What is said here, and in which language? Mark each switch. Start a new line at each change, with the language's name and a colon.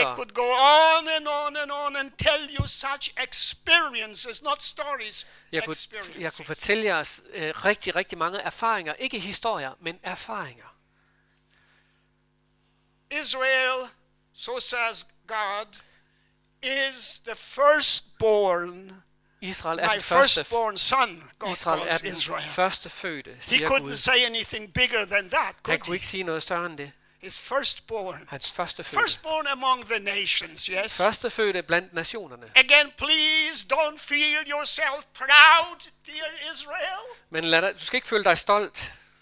English: And I could go on and on and on and tell you such experiences, not stories.
Danish: Jeg kunne fortælle jer rigtig rigtig mange erfaringer, ikke historier, men erfaringer.
English: Israel, so says God, is the firstborn.
Danish: Israel er den første
English: born son,
Danish: Israel er den Israel. Første fødte, siger
English: He couldn't
Danish: Gud.
English: Say anything bigger than that.
Danish: Han kunne ikke sige noget større end det.
English: His firstborn.
Danish: Hans første fødte.
English: Firstborn among the nations, yes.
Danish: Første fødte blandt nationerne.
English: Again, please don't feel yourself proud, dear Israel.
Danish: Men du skal ikke føle dig stolt.